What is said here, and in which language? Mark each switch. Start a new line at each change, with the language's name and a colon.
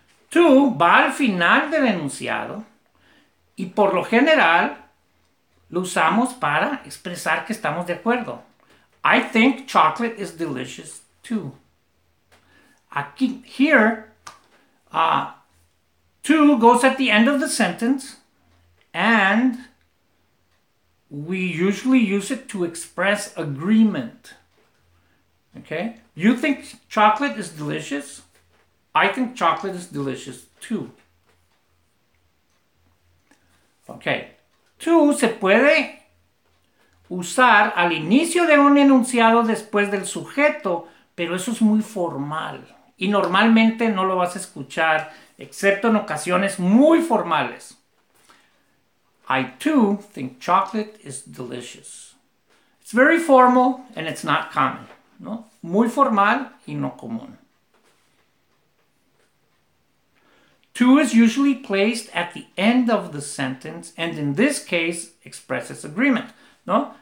Spanish: Two va al final del enunciado y por lo general lo usamos para expresar que estamos de acuerdo.
English: I think chocolate is delicious too. Aquí, here, two goes at the end of the sentence and we usually use it to express agreement. Okay? You think chocolate is delicious? I think chocolate is delicious too. Okay.
Spanish: Two se puede usar al inicio de un enunciado después del sujeto, pero eso es muy formal y normalmente no lo vas a escuchar, excepto en ocasiones muy formales.
English: I too think chocolate is delicious. It's very formal and it's not common, ¿no?
Spanish: Muy formal y no común.
English: Two is usually placed at the end of the sentence and in this case expresses agreement, ¿no?